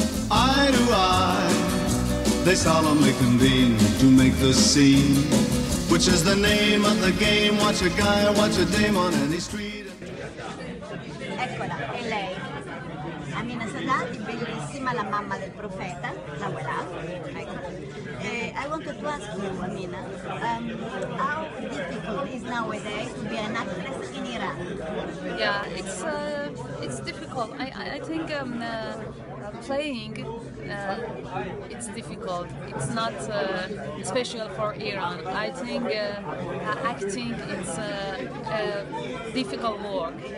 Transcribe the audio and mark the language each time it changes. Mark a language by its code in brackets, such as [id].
[en] Eye to eye, they solemnly convene to make the scene, which is the name of the game. Watch a guy, watch a dame on any street. [it] Eccola, è lei, Mina Sadati, bellissima, la mamma del profeta, [fr] la voilà. [en] I wanted to ask you, Mina, how difficult is nowadays to be an actress in Iran? Yeah, it's difficult. I think playing, it's difficult. It's not special for Iran. I think acting is a difficult work.